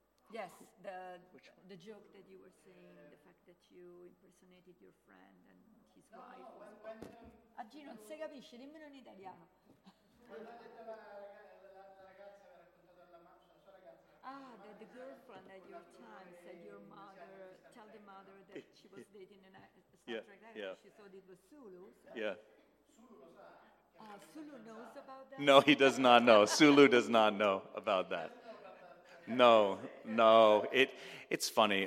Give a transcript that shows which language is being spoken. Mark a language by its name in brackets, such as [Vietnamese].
[English] Yes, the joke that you were saying, the fact that you impersonated your friend and his wife. No, [Italian] a Gino, non si capisce, dimmelo in italiano. [English] the girlfriend at your time said your mother, tell the mother that she was dating a Star Trek actor. She thought it was Sulu. So. Yeah. Sulu knows about that? No, he does not know. Sulu does not know about that. No, no. It's funny.